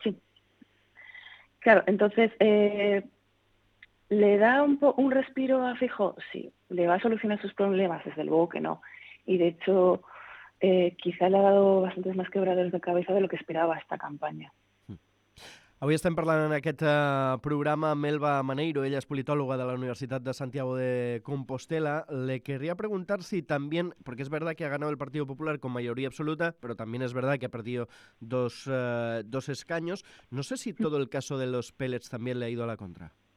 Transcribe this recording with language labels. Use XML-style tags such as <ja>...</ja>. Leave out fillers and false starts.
<es>Sí. Claro, entonces, ¿le da un respiro a Feijóo? Sí, ¿le va a solucionar sus problemas? Desde luego que no. Y de hecho, quizá le ha dado bastantes más quebraderos de cabeza de lo que esperaba esta campaña.</es> <ca>Avui estem parlant en aquest programa amb Elba Maneiro, ella és politòloga de la Universitat de Santiago de Compostela.</ca> <es>Le querría preguntar si también, porque es verdad que ha ganado el Partido Popular con mayoría absoluta, pero también es verdad que ha perdido dos escaños, no sé si todo el caso de los pellets también le ha ido a la contra.</es>